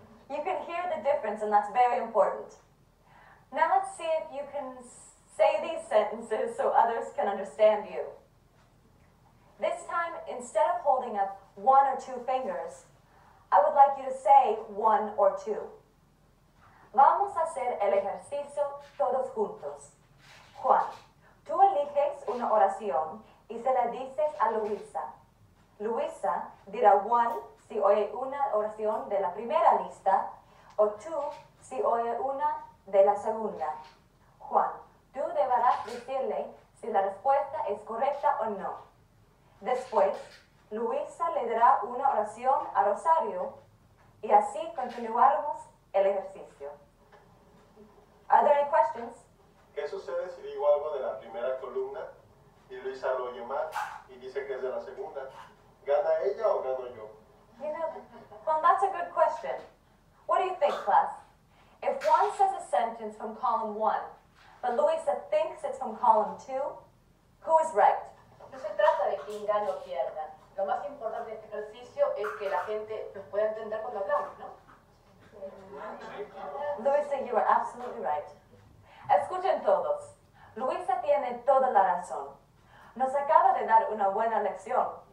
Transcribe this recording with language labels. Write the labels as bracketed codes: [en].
[en] You can hear the difference, and that's very important. Now let's see if you can say these sentences so others can understand you. This time, instead of holding up one or two fingers, I would like you to say one or two. [es] Vamos a hacer el ejercicio todos juntos. Juan, tú eliges una oración y se la dices a Luisa. Luisa dirá one si oye una oración de la primera lista o two si oye una de la segunda. Juan, tú deberás decirle si la respuesta es correcta o no. Después, Luisa le dará una oración a Rosario y así continuaremos el ejercicio. [en] Are there any questions? [es] ¿Qué sucede si digo algo de la primera columna y Luisa lo oye mal y dice que es de la segunda? ¿Gana ella o gano yo? [en] You know, well, that's a good question. What do you think, class? If Juan says a sentence from column one, but Luisa thinks it's from column two, who is right? [es] No se trata de quién gana o pierda. Lo más importante de este ejercicio es que la gente nos pueda entender cuando hablamos, ¿no? [en] Luisa, you are absolutely right. [es] Escuchen todos. Luisa tiene toda la razón. Nos acaba de dar una buena lección.